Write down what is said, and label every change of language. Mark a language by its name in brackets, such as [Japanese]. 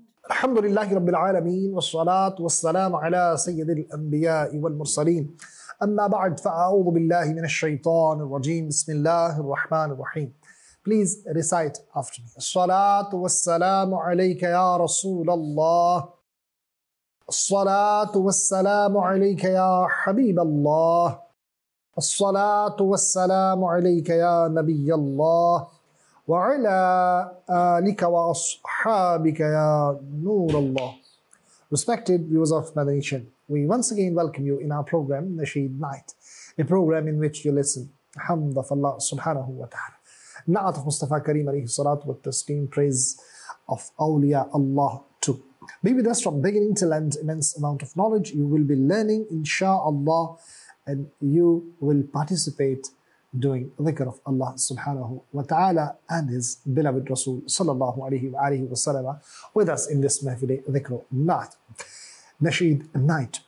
[Arabic] الحمد لله رب العالمين والصلاة والسلام على سيد الأنبياء والمرسلين أما بعد فأعوذ بالله من الشيطان الرجيم بسم الله الرحمن الرحيم [English] Please recite after me [Arabic] الصلاة والسلام عليك يا رسول الله الصلاة والسلام عليك يا حبيب الله الصلاة والسلام عليك يا نبي الله وعلى آلك وأصحابك يا نور الله. [English] Respected viewers of Madani Nation, we once again welcome you in our program, Nasheed Night, a program in which you listen. [Arabic] حمد الله سبحانه وتعالى. نعت مصطفى كريم عليه الصلاة والتسليم [English] praise of [Arabic] أولياء الله [English] too. Be with us from beginning till end, immense amount of knowledge you will be learning, inshallah, and you will participate doing dhikr of Allah subhanahu wa ta'ala and his beloved Rasul sallallahu alayhi wa sallam with us in this mahfile dhikr naat, nasheed night.